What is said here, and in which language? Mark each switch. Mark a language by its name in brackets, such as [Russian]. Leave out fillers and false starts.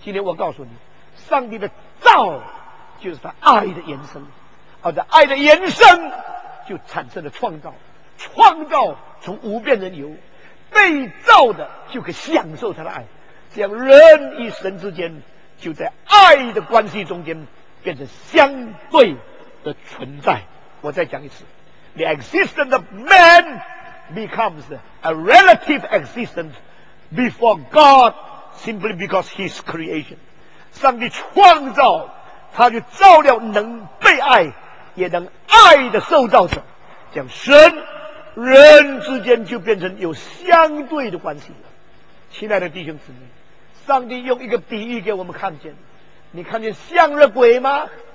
[Chinese] 今天我告诉你，上帝的造就是他爱的延伸，而在爱的延伸就产生了创造，创造从无变成有，被造的就可以享受他的爱。这样人与神之间就在爱的关系中间变成相对的存在。我再讲一次， [English] The existence of man becomes a relative existence before God simply because his creation。 [Chinese] 上帝创造他就造了能被爱也能爱的受造者，讲神人之间就变成有相对的关系了。亲爱的弟兄姊妹，上帝用一个比喻给我们看见，你看见向日葵吗？